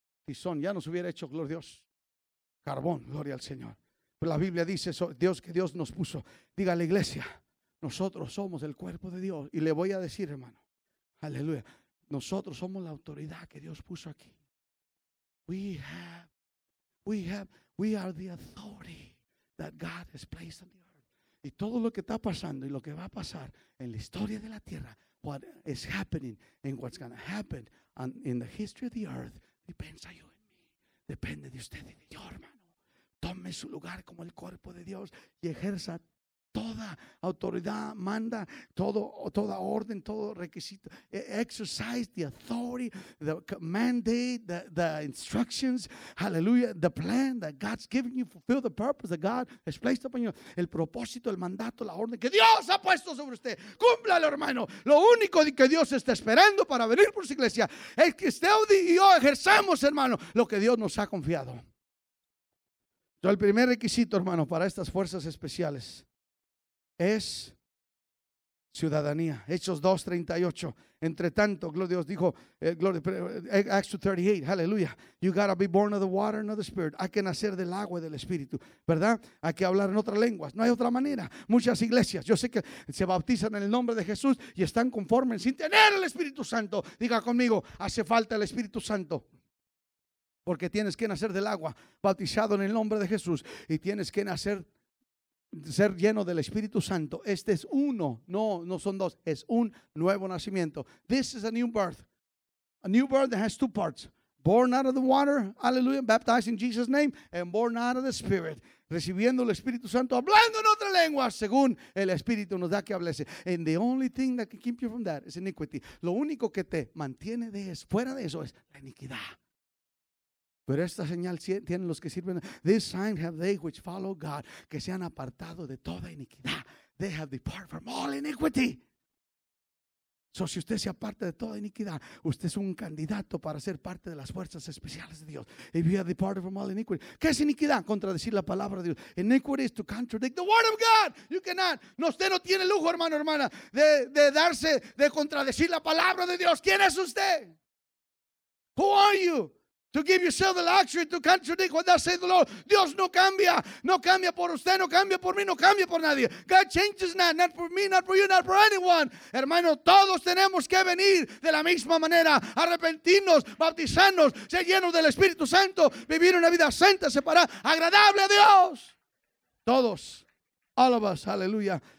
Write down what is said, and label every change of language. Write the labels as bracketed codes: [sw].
[es] Tizón, ya nos hubiera hecho, gloria a Dios. Carbón, gloria al Señor. Pero la Biblia dice eso, Dios, que Dios nos puso. Diga a la iglesia, nosotros somos el cuerpo de Dios. Y le voy a decir, hermano, aleluya. Nosotros somos la autoridad que Dios puso aquí. [en] We are the authority that God has placed on the earth. [es] Y todo lo que está pasando y lo que va a pasar en la historia de la tierra, [en] what is happening and what's going to happen in the history of the earth, depends on you and me. [es] Depende de usted y de yo, hermano. Tome su lugar como el cuerpo de Dios y ejerza toda autoridad, manda toda orden, todo requisito. [en] Exercise the authority, the mandate, the instructions, hallelujah, the plan that God's given you. Fulfill the purpose that God has placed upon you. [es] El propósito, el mandato, la orden que Dios ha puesto sobre usted. Cúmplalo, hermano. Lo único que Dios está esperando para venir por su iglesia es que usted y yo ejerzamos, hermano, lo que Dios nos ha confiado. Entonces, el primer requisito, hermano, para estas fuerzas especiales es ciudadanía. Hechos 2:38. Entre tanto, gloria a Dios, dijo, Acts 2:38, aleluya. [en] You gotta be born of the water and of the spirit. [es] Hay que nacer del agua y del espíritu, ¿verdad? Hay que hablar en otras lenguas. No hay otra manera. Muchas iglesias, yo sé que se bautizan en el nombre de Jesús y están conformes sin tener el Espíritu Santo. Diga conmigo, hace falta el Espíritu Santo. Porque tienes que nacer del agua, bautizado en el nombre de Jesús, y tienes que nacer ser lleno del Espíritu Santo. Este es uno, no son dos, es un nuevo nacimiento. [en] This is a new birth. A new birth that has two parts. Born out of the water, hallelujah, baptized in Jesus' name, and born out of the Spirit. [es] Recibiendo el Espíritu Santo, hablando en otra lengua, según el Espíritu nos da que hablese. [en] And the only thing that can keep you from that is iniquity. [es] Lo único que te mantiene de eso, fuera de eso, es la iniquidad. Pero esta señal tienen los que sirven. [en] This sign have they which follow God, [es] que se han apartado de toda iniquidad. [en] They have departed from all iniquity. [es] So si usted se aparta de toda iniquidad, usted es un candidato para ser parte de las fuerzas especiales de Dios. [en] If you have departed from all iniquity. [es] ¿Qué es iniquidad? Contradecir la palabra de Dios. [en] Iniquity is to contradict the word of God. You cannot. [es] No, usted no tiene lujo, hermano, hermana, de contradecir la palabra de Dios. ¿Quién es usted? [en] Who are you? To give yourself the luxury to contradict what thus saith the Lord. [es] Dios no cambia. No cambia por usted. No cambia por mí. No cambia por nadie. [en] God changes not. Not for me. Not for you. Not for anyone. [es] Hermano, todos tenemos que venir de la misma manera. Arrepentirnos. Bautizarnos. Ser llenos del Espíritu Santo. Vivir una vida santa, separada, agradable a Dios. Todos. [en] All of us. [es] Aleluya.